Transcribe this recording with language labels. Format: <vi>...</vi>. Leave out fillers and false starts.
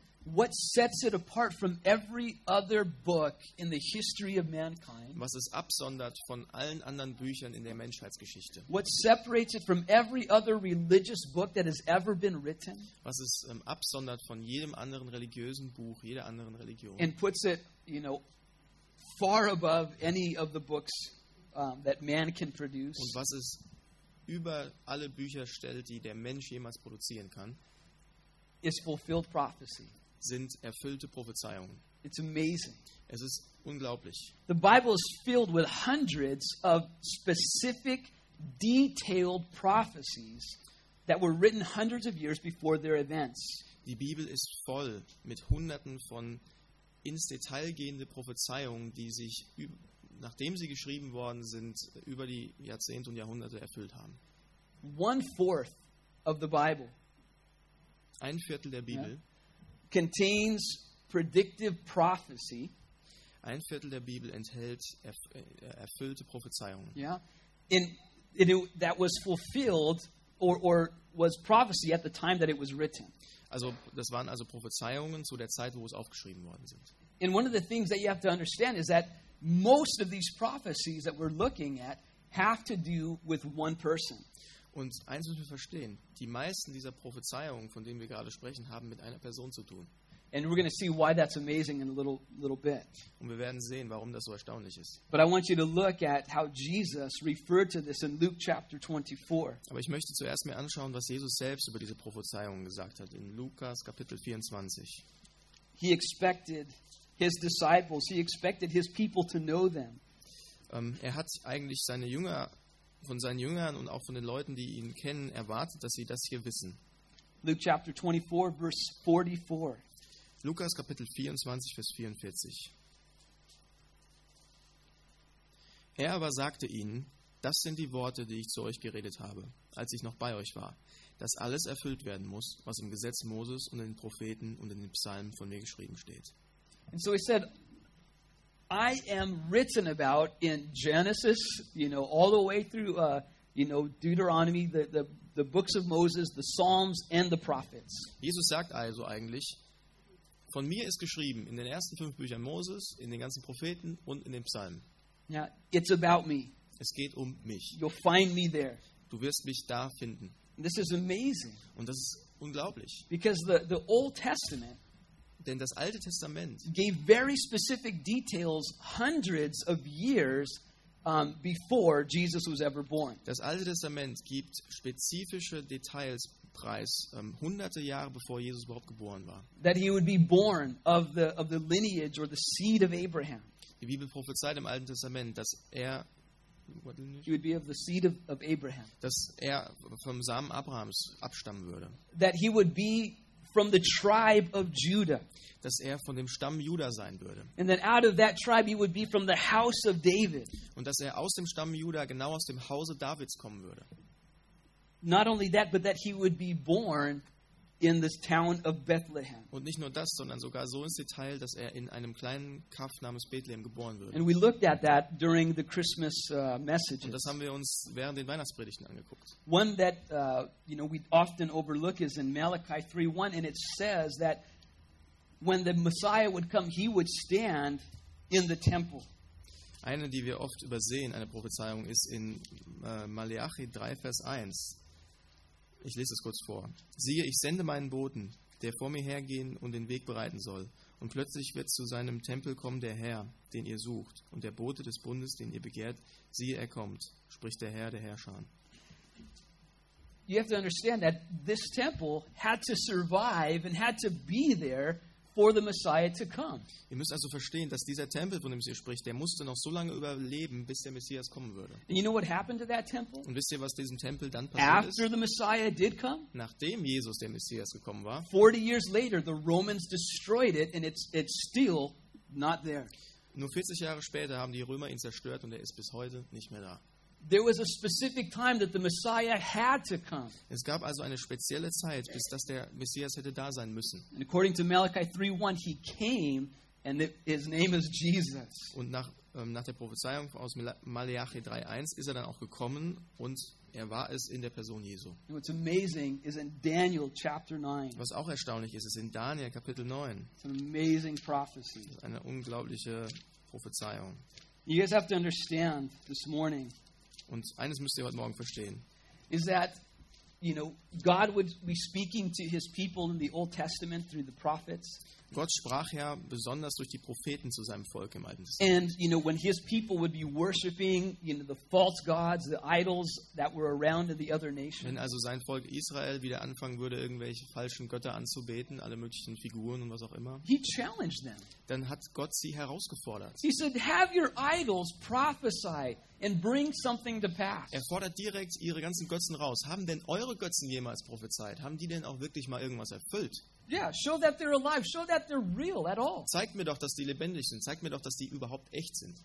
<en>What sets it apart from every other book in the history of mankind?</en> <de>Was es absondert von allen anderen Büchern in der Menschheitsgeschichte?</de> <en>What separates it from every other religious book that has ever been written?</en> <de>Was es absondert von jedem anderen religiösen Buch, jeder anderen Religion?</de> <en>And puts it, you know, far above any of the books that man can produce.</en> <de>Und was es über alle Bücher stellt, die der Mensch jemals produzieren kann?</de> <en>Is fulfilled prophecy.</en> <de>Sind erfüllte Prophezeiungen.</de> <en>It's amazing.</en> <de>Es ist unglaublich.</de> <en>The Bible is filled with hundreds of specific, detailed prophecies that were written hundreds of years before their events.</en> <de>Die Bibel ist voll mit Hunderten von ins Detail gehende Prophezeiungen, die sich, nachdem sie geschrieben worden sind, über die Jahrzehnte und Jahrhunderte erfüllt haben.</de> <en>One fourth of the Bible.</en> <de>Ein Viertel der Bibel. Yeah.</de> <en>Contains predictive prophecy.</en> <de>Ein Viertel der Bibel enthält erfüllte Prophezeiungen.</de> <en>Yeah, in it, that was fulfilled or was prophecy at the time that it was written.</en> <de>Also das waren also Prophezeiungen zu der Zeit, wo es aufgeschrieben worden sind.</de> <en>And one of the things that you have to understand is that most of these prophecies that we're looking at have to do with one person.</en> <de>Und eins müssen wir verstehen, die meisten dieser Prophezeiungen, von denen wir gerade sprechen, haben mit einer Person zu tun.</de> <en>And we're going to see why that's amazing in a little bit.</en> <de>Und wir werden sehen, warum das so erstaunlich ist.</de> <en>But I want you to look at how Jesus referred to this in Luke chapter 24.</en> <de>Aber ich möchte zuerst mir anschauen, was Jesus selbst über diese Prophezeiungen gesagt hat in Lukas Kapitel 24.</de> <en>He expected his disciples, he expected his people to know them.</en> <de>Er hat eigentlich seine Jünger von seinen Jüngern und auch von den Leuten, die ihn kennen, erwartet, dass sie das hier wissen.</de> <en>Luke chapter 24, verse 44.</en> <de>Lukas Kapitel 24, Vers 44. Er aber sagte ihnen, das sind die Worte, die ich zu euch geredet habe, als ich noch bei euch war, dass alles erfüllt werden muss, was im Gesetz Moses und in den Propheten und in den Psalmen von mir geschrieben steht.</de> <en>And so he said, I am written about in Genesis, you know, all the way through, you know, Deuteronomy, the books of Moses, the Psalms and the prophets.</en> <de>Jesus sagt also eigentlich, von mir ist geschrieben in den ersten fünf Büchern Moses, in den ganzen Propheten und in den Psalmen.</de> <en>Yeah, it's about me.</en> <de>Es geht um mich.</de> <en>You'll find me there.</en> <de>Du wirst mich da finden.</de> <en>And this is amazing.</en> <de>Und das ist unglaublich.</de> <en>Because the Old Testament.</en> <de>Denn das Alte Testament</de> <en>gave very specific details hundreds of years before Jesus was ever born.</en> <de>Das Alte Testament gibt spezifische Details preis hunderte Jahre bevor Jesus überhaupt geboren war.</de> <en>That he would be born of the lineage or the seed of Abraham.</en> <de>Die Bibel prophezeit im Alten Testament, dass er</de> <en>he would be of the seed of Abraham.</en> <de>Dass er vom Samen Abrahams abstammen würde.</de> <en>That he would be from the tribe of Judah.</en> <de>Dass er von dem Stamm Juda sein würde.</de> <en>And then out of that tribe he would be from the house of David.</en> <de>Und dass er aus dem Stamm Juda genau aus dem Hause Davids kommen würde.</de> <en>Not only that, but that he would be born in this town of Bethlehem.</en> <de>Und nicht nur das, sondern sogar so ins Detail, dass er in einem kleinen Kaff namens Bethlehem geboren würde.</de> <en>And we looked at that during the Christmas messages.</en> <de>Und das haben wir uns während den Weihnachtspredigten angeguckt.</de> <en>One that you know we often overlook is in Malachi 3:1, and it says that when the Messiah would come, he would stand in the temple.</en> <de>Eine, die wir oft übersehen, eine Prophezeiung, ist in Malachi 3, Vers 1. Ich lese es kurz vor. Siehe, ich sende meinen Boten, der vor mir hergehen und den Weg bereiten soll. Und plötzlich wird zu seinem Tempel kommen der Herr, den ihr sucht. Und der Bote des Bundes, den ihr begehrt, siehe, er kommt, spricht der Herr, der Herrscher.</de> <en>You have to understand that this temple had to survive and had to be there for the Messiah to come.</en> <de>Ihr müsst also verstehen, dass dieser Tempel, von dem sie spricht, der musste noch so lange überleben, bis der Messias kommen würde.</de> <en>And you know what happened to that temple?</en> <de>Und wisst ihr, was diesem Tempel dann passiert ist?</de> <en>After the Messiah did come?</en> <de>Nachdem Jesus der Messias gekommen war.</de> <en>40 years later the Romans destroyed it and it's still not there.</en> <de>Nur 40 Jahre später haben die Römer ihn zerstört und er ist bis heute nicht mehr da.</de> <en>There was a specific time that the Messiah had to come.</en> <de>Es gab also eine spezielle Zeit, bis dass der Messias hätte da sein müssen.</de> <en>And according to Malachi 3:1, he came and his name is Jesus.</en> <de>Und nach der Prophezeiung aus Malachi 3:1 ist er dann auch gekommen und er war es in der Person Jesu.</de> <en>And what's amazing is in Daniel chapter 9.</en> <de>Was auch erstaunlich ist, ist in Daniel Kapitel 9.</de> <en>It's an amazing prophecy.</en> <de>Eine unglaubliche Prophezeiung.</de> <en>You guys have to understand this morning.</en> <de>Und eines müsst ihr heute Morgen verstehen.</de> <en>Is that, you know, God would be speaking to his people in the Old Testament through the prophets.</en> <de>Gott sprach ja besonders durch die Propheten zu seinem Volk im Alten Testament.</de> <en>And you know, when his people would be worshiping, you know, the false gods, the idols that were around in the other nations.</en> <de>Wenn also sein Volk Israel wieder anfangen würde, irgendwelche falschen Götter anzubeten, alle möglichen Figuren und was auch immer.</de> <en>He challenged them.</en> <de>Dann hat Gott sie herausgefordert.</de> <en>He said, "Have your idols prophesy and bring something to pass."</en> <de>Er fordert direkt ihre ganzen Götzen raus. Haben denn eure Götzen jemals prophezeit? Haben die denn auch wirklich mal irgendwas erfüllt?</de> <en>Yeah, show that they're alive. Show that they're real at all.</en> <de>Zeigt mir doch, dass die lebendig sind. Zeigt mir doch, dass die überhaupt echt sind.</de>